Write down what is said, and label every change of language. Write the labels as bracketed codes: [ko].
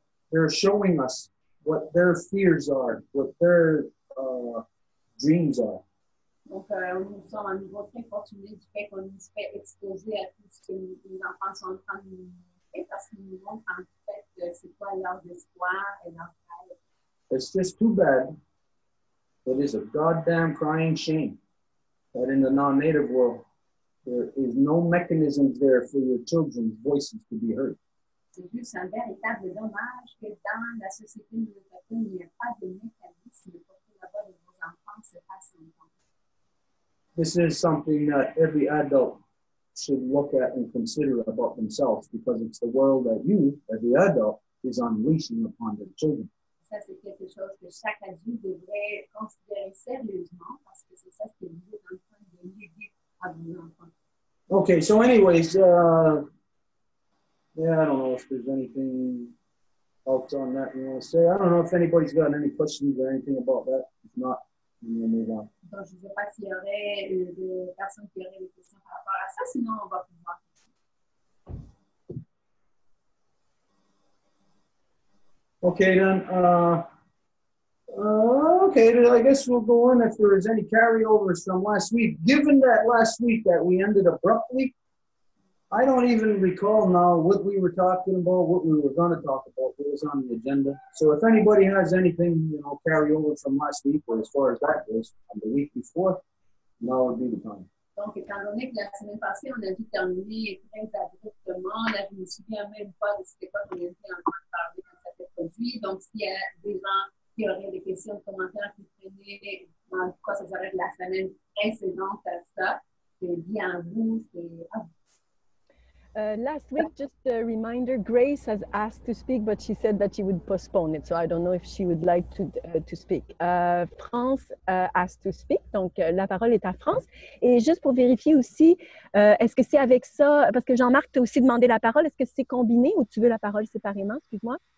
[en] They're showing us what their fears are, what their dreams are. [fr] Donc, nous sommes à un niveau très fortuné du fait qu'on nous fait exposer à tout ce que les enfants sont en train de nous faire parce qu'ils nous montrent en fait c'est quoi leur espoir et leur rêve. [en] It's just too bad. It is a goddamn crying shame that in the non-native world there is no mechanism there for your children's voices to be heard. [fr] C'est juste un véritable dommage que dans la société de l'État, il n'y a pas de mécanisme pour que la voix de vos enfants se fasse entendre. [en] This is something that every adult should look at and consider about themselves because it's the world that you, every adult, is unleashing upon their children. [fr] Ça, c'est quelque chose que chaque adulte devrait considérer sérieusement parce que c'est ça ce que vous êtes en train de léguer à vos enfants. [en] Okay, so anyways, yeah, I don't know if there's anything else on that you want to say. I don't know if anybody's got any questions or anything about that. If not, we will move on. [fr] Donc, je ne sais pas s'il y aurait de personnes qui auraient des questions par rapport à ça, sinon on va pouvoir. [en] Okay, then. Okay, then I guess we'll go on if there is any carryovers from last week. Given that last week that we ended abruptly, I don't even recall now what we were talking about, what we were going to talk about, what was on the agenda. So if anybody has anything, you know, carry over from last week or as far as that goes, from the week before, now would be the time. [fr] Donc, étant donné que la semaine passée, on a dû terminer très abruptement, là, je ne me souviens même pas de ce qu'on était en train de parler quand ça s'est produit. Donc, s'il y a des gens qui auraient des questions, des commentaires qui traînaient, dans quoi ça serait de la semaine précédente à ça, c'est bien vous, c'est à vous. [en] Last week, just a reminder, Grace has asked to speak, but she said that she would postpone it. So I don't know if she would like to speak. France asked to speak, [fr] donc la parole est à France. Et juste pour vérifier aussi, est-ce que c'est avec ça, parce que Jean-Marc t'a aussi demandé la parole, est-ce que c'est combiné ou tu veux la parole séparément, excuse-moi?